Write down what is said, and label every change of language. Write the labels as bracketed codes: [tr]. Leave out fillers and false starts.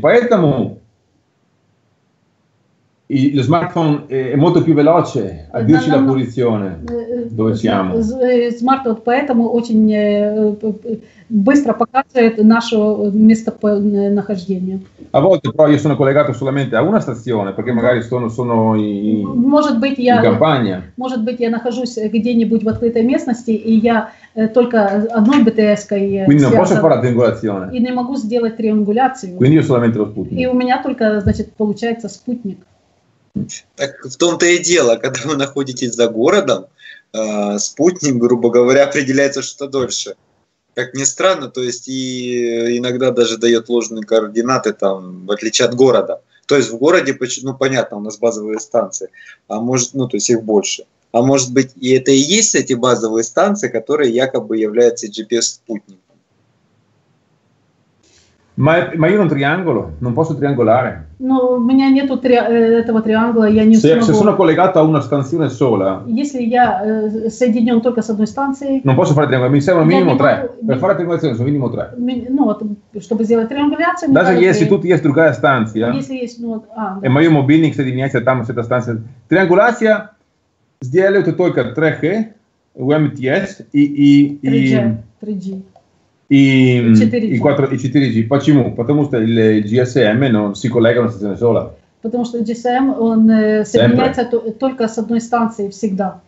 [it] Поэтому il smartphone è molto più veloce a dirci la posizione dove siamo. [ru] Smartphone поэтому очень быстро показывает наше местонахождение. [it] A volte però io sono collegato solamente a una stazione perché magari sono in campagna. [ru] Может быть я нахожусь где-нибудь в открытой местности и я только одной БТС-кой. [it] Quindi non posso fare triangolazione. [ru] И не могу сделать триангуляцию. [it] Quindi io solamente lo спутник. [ru] И у меня только, значит, получается спутник. Так в том-то и дело, когда вы находитесь за городом, спутник, грубо говоря, определяется что-то дольше. Как ни странно, то есть и иногда даже дает ложные координаты, там, в отличие от города. То есть в городе, ну понятно, у нас базовые станции, а может, ну то есть их больше. А может быть и это и есть эти базовые станции, которые якобы являются GPS-спутником. [it] Ma io non triangolo, non posso triангулare. [ru] Ну, у меня нету этого триангула, я не смогу. [it] Se sono collegato a una stazione sola. [ru] Если я соединён только с одной станцией. [it] Non posso fare triangolo, mi servono minimo tre. Per fare triangolazione sono minimo tre. [ru] Ну, вот, чтобы сделать триангуляцию. Даже если тут есть другая станция. Если есть, ну, да. И моё мобильник соединяется там с этой станцией. Триангуляция сделает только 3G, UMTS и 3G. И 4G. Почему? [it] Потому что GSM non si collega a una stazione sola. [ru] Потому что GSM он соединяется только с одной станцией всегда.